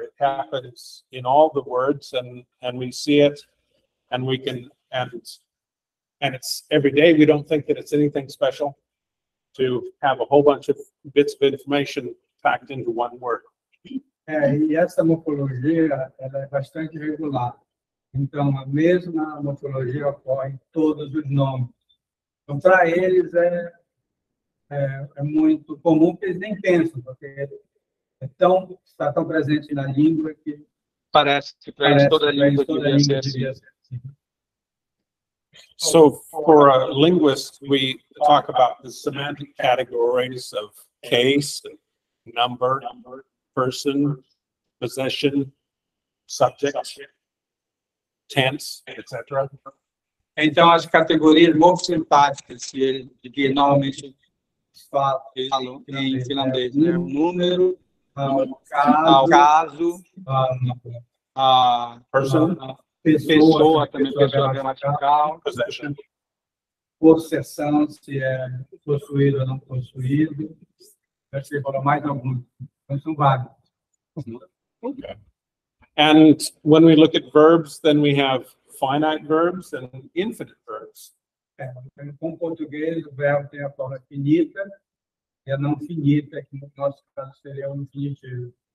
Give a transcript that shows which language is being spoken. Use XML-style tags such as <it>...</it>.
<en>It happens in all the words, and we see it, and we can, and it's every day. We don't think that it's anything special to have a whole bunch of bits of information packed into one word.</en> <pt>Essa morfologia ela é bastante regular. Então, a mesma morfologia ocorre em todos os nomes. Então, para eles é muito comum que eles nem pensam, porque está tão presente na língua que... Parece que para eles toda a língua devia ser assim.</pt> <en>So, for a linguist, we talk about the semantic categories of case, number, person, possession, subject, tense, etc.</en> <pt>Então, as categorias morfossintáticas que normalmente... Falou em finlandês, né? Número, caso, a pessoa também, pessoa gramatical, possessão, se é possuído ou não possuído. Acho que falou mais alguns, mas são vários.</pt> <en>And when we look at verbs, then we have finite verbs and infinite verbs.</en> <pt>Com português, o verbo tem a forma finita. É não finita, que no nosso caso seria um infinitivo.</pt>